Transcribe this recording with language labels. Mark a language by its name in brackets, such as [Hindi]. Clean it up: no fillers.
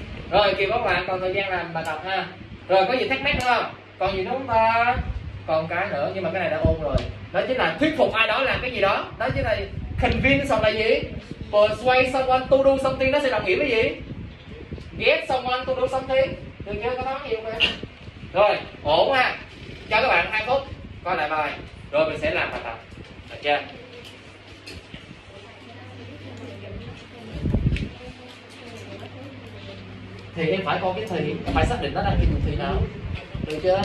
[Vietnamese] Rồi kìa các bạn, còn thời gian làm bài tập ha. Rồi có gì thắc mắc nữa không? Còn gì nữa không ta? Còn cái nữa, nhưng mà cái này đã ôn rồi. Đó chính là thuyết phục ai đó làm cái gì đó. Đó chính là convince xong là gì? [English] Persuade someone to do something. [Vietnamese] Nó sẽ đồng nghĩa với gì? [English] Get someone to do something. [Vietnamese] Đừng nhớ có nói gì không em. Rồi, ổn ha. Cho các bạn 2 phút coi lại bài. Rồi mình sẽ làm bài tập. Được chưa? Thì em phải có cái thời điểm, phải xác định nó đang kinh thị nào. Được chưa?